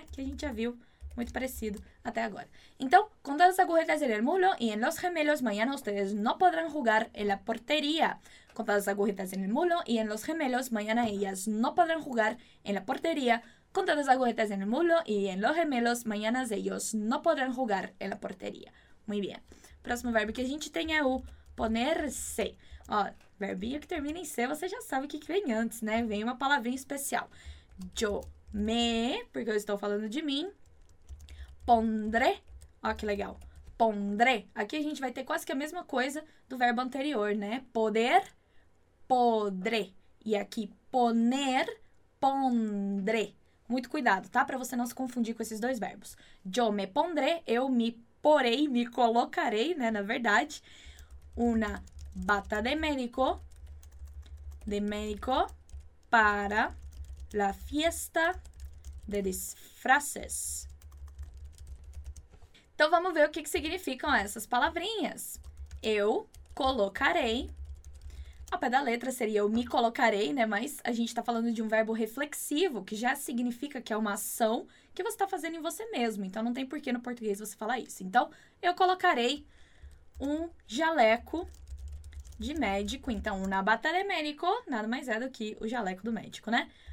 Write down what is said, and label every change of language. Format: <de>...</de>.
<pt>Que a gente</pt> <es>ya vio muy parecido hasta ahora. Entonces, con todas las agujetas en el muslo y en los gemelos, mañana ustedes no podrán jugar en la portería. Con todas las agujetas en el muslo y en los gemelos, mañana ellas no podrán jugar en la portería. Con todas las agujetas en el muslo y en los gemelos, mañana ellos no podrán jugar en la portería. Muy bien. Próximo verbo</es> <pt>que a gente</pt> <es>tenga es ponerse.</es> <pt>Verbinho que termina em C, você já sabe o que vem antes, né? Vem uma palavrinha especial.</pt> <es>Yo me,</es> <pt>porque eu estou falando de mim. Pondré. Ó, que legal. Pondré. Aqui a gente vai ter quase que a mesma coisa do verbo anterior, né? Poder, podré. E aqui, poner, pondré. Muito cuidado, tá? Pra você não se confundir com esses dois verbos.</pt> <es>Yo me pondré.</es> <pt>Eu me porei, me colocarei, né? Na verdade.</pt> <es>Una bata de médico para la fiesta de disfraces.</es> <pt>Então, vamos ver o que significam essas palavrinhas. Eu colocarei. Ao pé da letra seria eu me colocarei, né? Mas a gente está falando de um verbo reflexivo, que já significa que é uma ação que você está fazendo em você mesmo. Então, não tem porquê no português você falar isso. Então, eu colocarei um jaleco de médico, então,</pt> <es>una bata de médico,</es> <pt>nada mais é do que o jaleco do médico, né?</pt>